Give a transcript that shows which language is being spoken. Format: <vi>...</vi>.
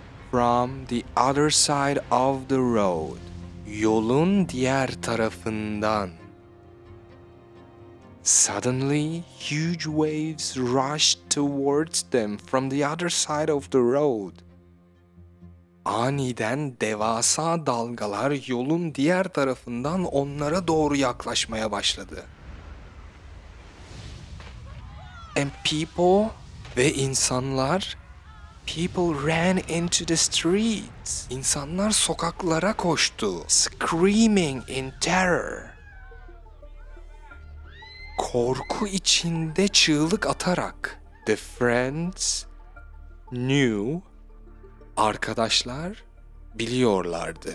<en>From the other side of the road,</en> <tr>yolun diğer tarafından.</tr> <en>Suddenly, huge waves rushed towards them from the other side of the road.</en> <tr>Aniden devasa dalgalar yolun diğer tarafından onlara doğru yaklaşmaya başladı.</tr> <en>And people, ve insanlar, people ran into the streets.</en> <tr>İnsanlar sokaklara koştu.</tr> <en>Screaming in terror.</en> <tr>Korku içinde çığlık atarak.</tr> <en>The friends knew,</en> <tr>arkadaşlar biliyorlardı.</tr>